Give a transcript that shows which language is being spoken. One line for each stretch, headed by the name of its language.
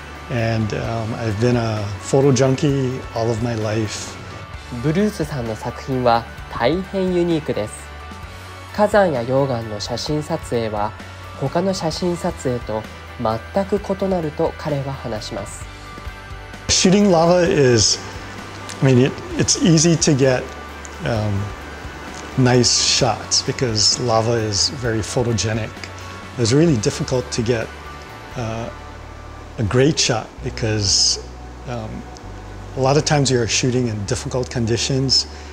English: And I've been a photo junkie all of my life.
Japanese: ブルースさんの作品は大変ユニークです。火山や溶岩の写真撮影は他の写真撮影と全く異なると彼は話します。
English: Shooting lava is, I mean, it's easy to get nice shots because lava is very photogenic. It's really difficult to get a great shot because a lot of times you're shooting in difficult conditions.